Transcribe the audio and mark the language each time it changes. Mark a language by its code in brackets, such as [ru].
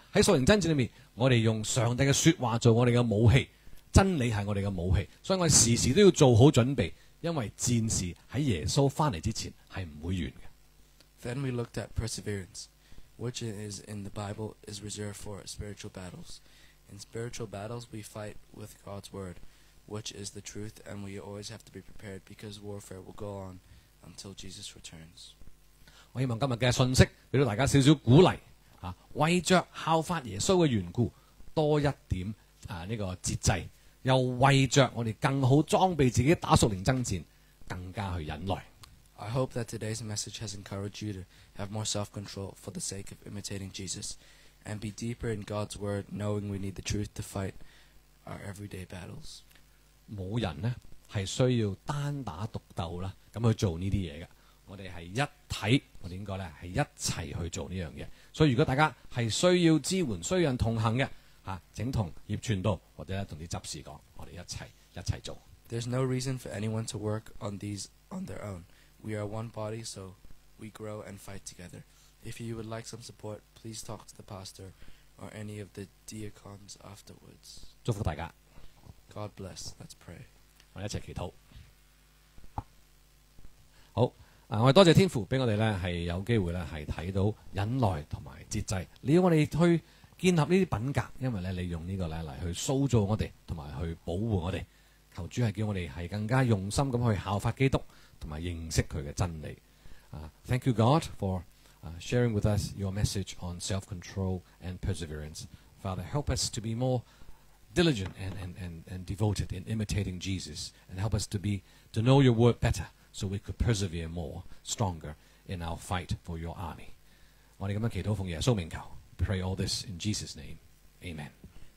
[yue] 喺属灵征战里面，我哋用上帝嘅说话做我哋嘅武器，真理系我哋嘅武器，所以我哋时时都要做好准备，因为战事喺耶稣翻嚟之前系唔会完嘅。 [en] Then we looked at perseverance, which is in the Bible is reserved for spiritual battles. In spiritual battles, we fight with God's word, which is the truth, and we always have to be prepared because warfare will go on until Jesus returns. [yue] 我希望今日嘅信息俾到大家少少鼓励，啊，为着效法耶稣嘅缘故，多一点这个节制，又为着我哋更好装备自己打属灵征战，更加去忍耐。 [en] I hope that today's message has encouraged you to have more self-control for the sake of imitating Jesus, and be deeper in God's word, knowing we need the truth to fight our everyday battles. [yue] 冇人咧系需要单打独斗啦，咁去做呢啲嘢噶。我哋系一体，我哋应该咧系一齐去做呢样嘢。所以如果大家系需要支援、需要人同行嘅，吓，请同叶传道或者同啲执事讲，我哋一齐做。 [en] There's no reason for anyone to work on these on their own. We are one body, so we grow and fight together. If you would like some support, please talk to the pastor or any of the deacons afterwards. [yue] 祝福大家。 [en] God bless. Let's pray. [yue] 我哋一齐祈祷。好。我哋多谢天父俾我哋咧，系有机会咧，系睇到忍耐同埋节制。你要我哋去建立呢啲品格，因为咧，你用呢个咧嚟去塑造我哋，同埋去保护我哋。求主系叫我哋系更加用心咁去效法基督，同埋认识佢嘅真理。 [en] Thank you God for sharing with us your message on self-control and perseverance. Father, help us to be more diligent and devoted in imitating Jesus, and help us to know your word better. So we could persevere more, stronger in our fight for your army. [yue] 我哋咁样祈祷奉耶稣名求 [en] ，pray all this in Jesus' name. Amen.